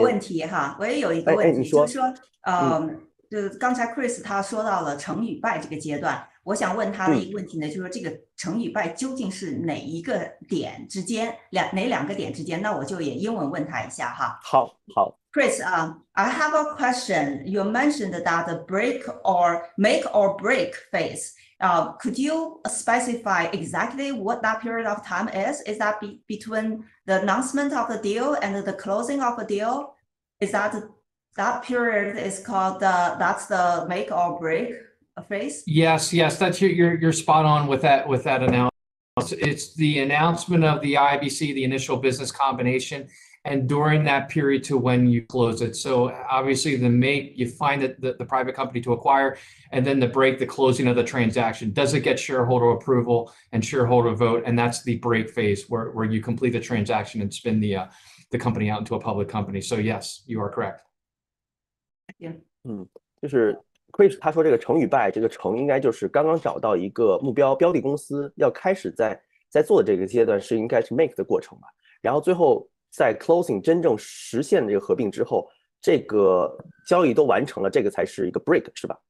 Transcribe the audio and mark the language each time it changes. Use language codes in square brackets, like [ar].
[zh] 我也有一个问题，你说就是说，就刚才 Chris 他说到了成与败这个阶段，我想问他的一个问题呢，就是这个成与败究竟是哪一个点之间，哪两个点之间？那我就也英文问他一下哈。好， [en] Chris 啊、 I have a question. You mentioned that the make or break phase. Could you specify exactly what that period of time is? Is that between the announcement of the deal and the closing of a deal? Is that period is called that's the make or break phase? Yes. That's you're spot on with that announcement. It's the announcement of the IBC, the initial business combination, and during that period to when you close it. So obviously the make, you find the private company to acquire, and then the break, the closing of the transaction. Does it get shareholder approval and shareholder vote? And that's the break phase where you complete the transaction and spin the company out into a public company. So yes, you are correct. Yeah. [zh] 就是 Chris 他说这个成与败，这个成应该就是刚刚找到一个目标标的公司，要开始在做的这个阶段是应该是 make 的过程吧。然后最后在 closing 真正实现的这个合并之后，这个交易都完成了，这个才是一个 break 是吧？